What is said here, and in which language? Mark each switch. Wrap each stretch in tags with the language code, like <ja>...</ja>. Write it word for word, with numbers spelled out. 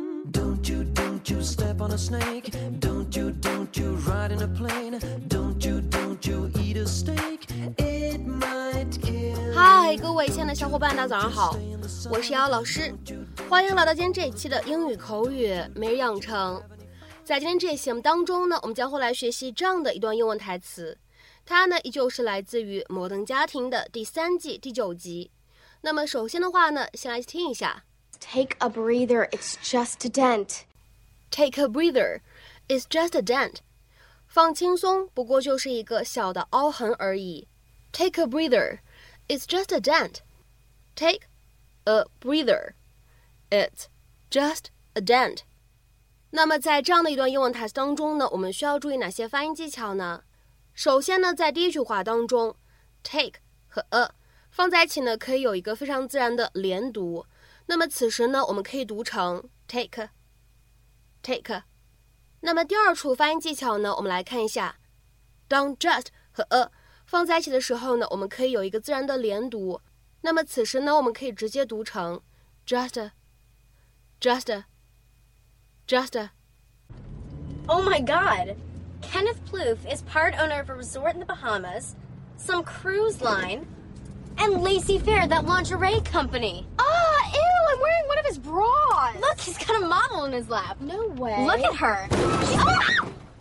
<en>Don't you, don't you step on a snake. Don't you, don't you ride in a plane. Don't you, don't you eat a steak. It might kill.</en> <zh>嗨，各位亲爱的小伙伴，大家早上好，我是瑶老师，欢迎来到今天这一期的英语口语每日养成。在今天这一期节目当中呢，我们将会来学习这样的一段英文台词，它呢依旧是来自于《摩登家庭》的第三季第九集。那么首先的话呢，先来听一下。</zh> <en>Take a breather, it's just a dent. Take a breather, it's just a dent.</en> <zh>放轻松，不过就是一个小的凹痕而已。</zh> <en>Take a breather, it's just a dent. Take a breather, it's just a dent.</en> <zh>那么在这样的一段英文台词当中呢，我们需要注意哪些发音技巧呢？首先呢，在第一句话当中 ，take 和 a。放在一起呢，可以有一个非常自然的连读。那么此时呢，我们可以读成 take take。那么第二处发音技巧呢，我们来看一下，当 just 和 a 放在一起的时候呢，我们可以有一个自然的连读。那么此时呢，我们可以直接读成 just just just。</zh> <en>Oh my God! Kenneth Plouffe is part owner of a resort in the Bahamas, some cruise line. And Lacey Fair, that lingerie company. Oh, ew, I'm wearing one of his bras. Look, he's got a model in his lap. No way. Look at her. Oh!</en>